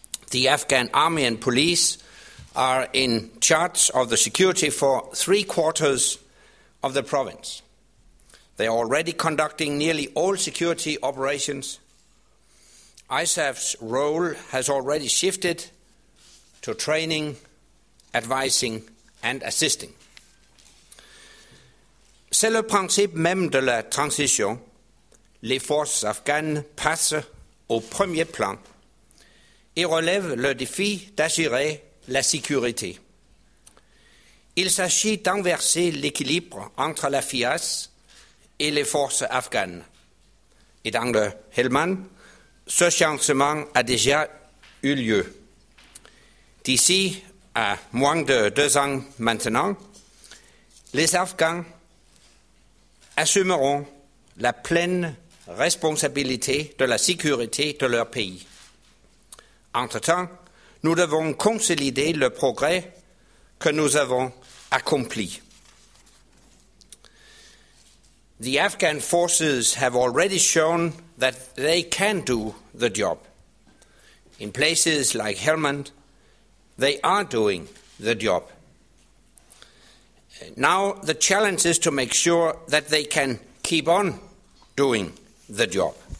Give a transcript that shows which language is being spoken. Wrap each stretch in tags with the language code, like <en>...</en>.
<en>The Afghan army and police are in charge of the security for three quarters of the province. They are already conducting nearly all security operations. ISAF's role has already shifted to training, advising, and assisting.</en> <fr>C'est le principe même de la transition. Les forces afghanes passent au premier plan et relèvent le défi d'assurer la sécurité. Il s'agit d'inverser l'équilibre entre la FIAS et les forces afghanes. Et dans le Helmand, ce changement a déjà eu lieu. D'ici à moins de 2 ans maintenant, les Afghans assumeront la pleine responsabilité de la sécurité de leur pays. Entre-temps, nous devons consolider le progrès que nous avons accompli.</fr> <en>The Afghan forces have already shown that they can do the job. In places like Helmand, they are doing the job. Now the challenge is to make sure that they can keep on doing the job.</en>